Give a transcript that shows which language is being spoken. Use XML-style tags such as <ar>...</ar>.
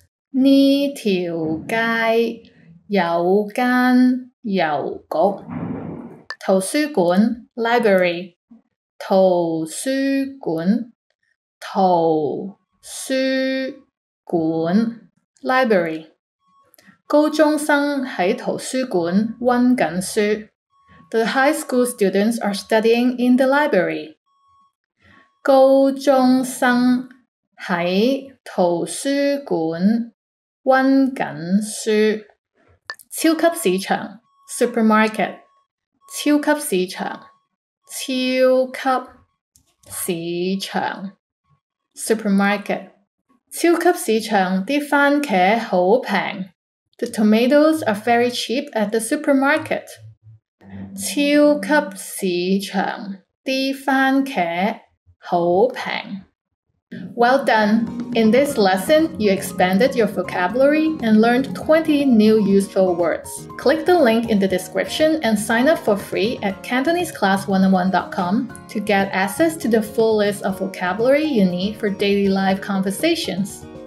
<yue>呢条街有间邮局。图书馆 library。 图书馆，图书。馆</yue> <en>library，</en> <yue>高中生喺图书馆温紧书。</yue> <en>The high school students are studying in the library。</en> <yue>高中生喺图书馆温紧书。超级市场</yue> <en>supermarket，</en> <yue>超级市场，超级市场</yue> <en>supermarket。</en> <yue>超级市场的番茄好便宜。</yue> <en>The tomatoes are very cheap at the supermarket.</en> <yue>超级市场的番茄好便宜。</yue> <en>Well done! In this lesson, you expanded your vocabulary and learned 20 new useful words. Click the link in the description and sign up for free at CantoneseClass101.com to get access to the full list of vocabulary you need for daily live conversations.</en>